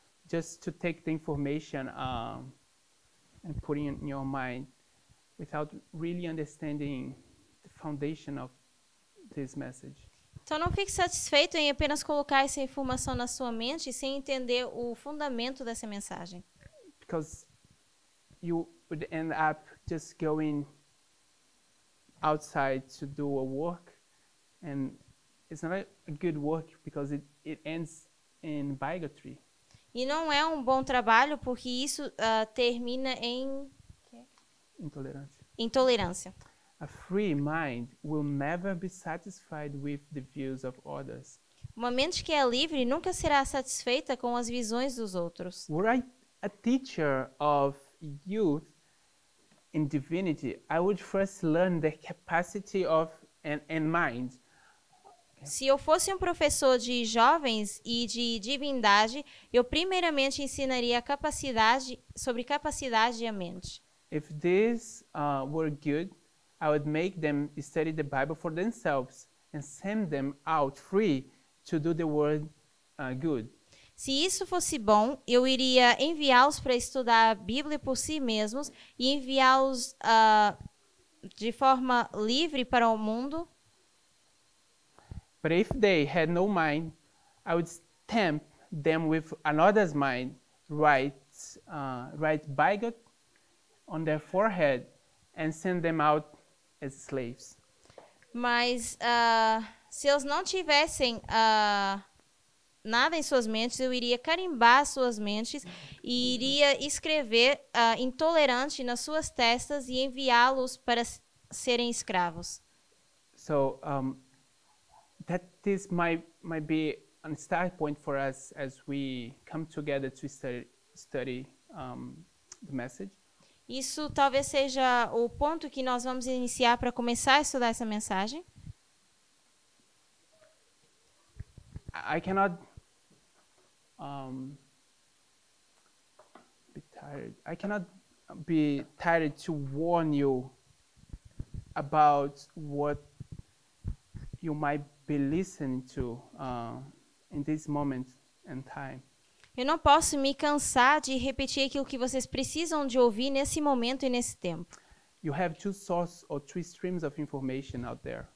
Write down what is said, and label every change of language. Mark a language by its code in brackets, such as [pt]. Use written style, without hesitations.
[en] Just to take the information and put it in your mind without really understanding the foundation of this message. [pt] Então não fique satisfeito em apenas colocar essa informação na sua mente sem entender o fundamento dessa mensagem. [en] Because you would end up just going outside to do a work, and it's not a good work because it ends in bigotry. [pt] E não é um bom trabalho porque isso termina em intolerância. [en] A free mind will never be satisfied with the views of others. [pt] Uma mente que é livre nunca será satisfeita com as visões dos outros. [en] Right. A teacher of youth in divinity, I would first learn the capacity of and mind. [pt] Se eu fosse um professor de jovens e de divindade, eu primeiramente ensinaria capacidade e a mente. [en] If this were good, I would make them study the Bible for themselves and send them out free to do the world good. [pt] Se isso fosse bom, eu iria enviá-los para estudar a Bíblia por si mesmos e enviá-los de forma livre para o mundo. [en] But if they had no mind, I would stamp them with another's mind, write bigot on their forehead and send them out as slaves. [pt] Mas se eles não tivessem nada em suas mentes, eu iria carimbar suas mentes e iria escrever intolerante nas suas testas e enviá-los para serem escravos. [en] So that this might be a start point for us as we come together to study the message. [pt] Isso talvez seja o ponto que nós vamos iniciar para começar a estudar essa mensagem. [en] I cannot be tired. I cannot be tired to warn you about what you might be listening to in this moment and time. [pt] Eu não posso me cansar de repetir aquilo que vocês precisam de ouvir nesse momento e nesse tempo. [en] You have two sources or two streams of information out there.